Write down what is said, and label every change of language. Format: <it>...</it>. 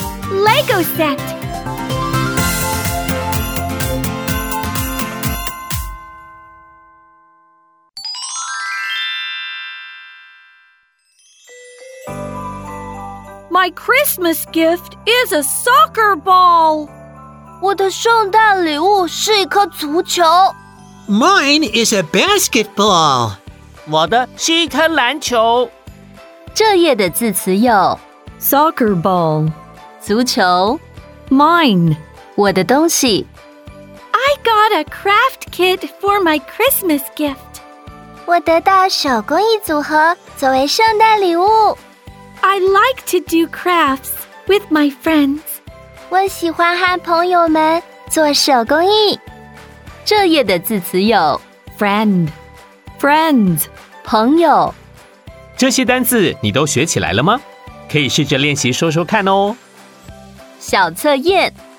<en>Lego Set 。My Christmas gift is a soccer ball.</en> <zh>我的圣诞礼物是一颗足球。</zh> <en>Mine is a basketball.</en> <zh>我的是一颗篮球。这页的字词有</zh> <en>soccer ball,</en> <zh>足球</zh> <en>mine,</en> <zh>我的东西。</zh> <en>I got a craft kit for my Christmas gift.</en> <zh>我得到手工艺组合作为圣诞礼物。</zh> <en>I like to do crafts with my friends.</en> <zh>我喜欢和朋友们做手工艺。这页的字词有</zh> <en>friend, friends,</en> <zh>朋友。这些单字你都学起来了吗？可以试着练习说说看哦。小测验</zh>